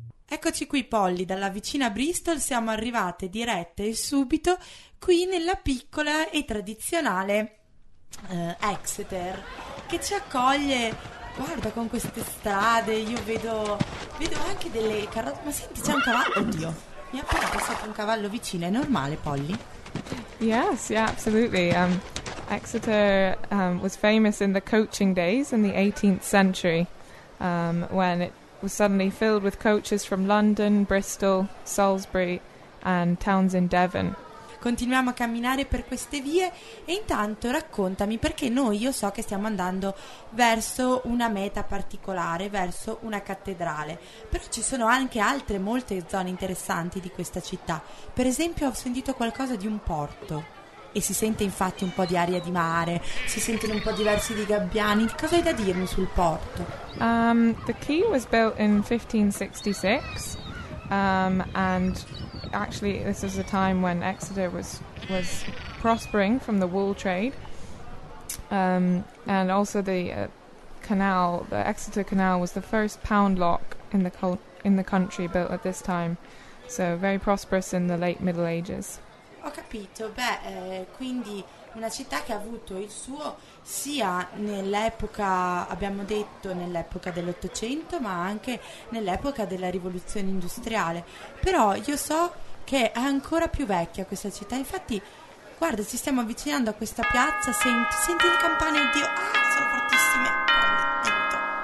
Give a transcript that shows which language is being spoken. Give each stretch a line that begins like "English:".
Italian: Eccoci qui Polly, dalla vicina Bristol siamo arrivate dirette e subito qui nella piccola e tradizionale Exeter, che ci accoglie, guarda con queste strade, io vedo anche delle carrozze, ma senti c'è un cavallo, oddio, mi è appena passato un cavallo vicino, è normale Polly?
English: Yes, yeah, absolutely. Exeter was famous in the coaching days in the 18th century when it was suddenly filled with coaches from London, Bristol, Salisbury and towns in Devon.
Italian: Continuiamo a camminare per queste vie e intanto raccontami perché noi, io so che stiamo andando verso una meta particolare, verso una cattedrale, però ci sono anche altre molte zone interessanti di questa città. Per esempio ho sentito qualcosa di un porto. E si sente infatti un po' di aria di mare, si sentono un po' diversi di gabbiani. Cosa hai da dirmi sul porto?
English: The quay was built in 1566 and actually this is a time when Exeter was prospering from the wool trade and also the canal, the Exeter Canal was the first pound lock in the country built at this time, so very prosperous in the late Middle Ages.
Italian: Ho capito, quindi una città che ha avuto il suo sia nell'epoca, abbiamo detto, nell'epoca dell'Ottocento, ma anche nell'epoca della rivoluzione industriale. Però io so che è ancora più vecchia questa città, infatti, guarda, ci stiamo avvicinando a questa piazza, senti il campanello, oddio, sono fortissime.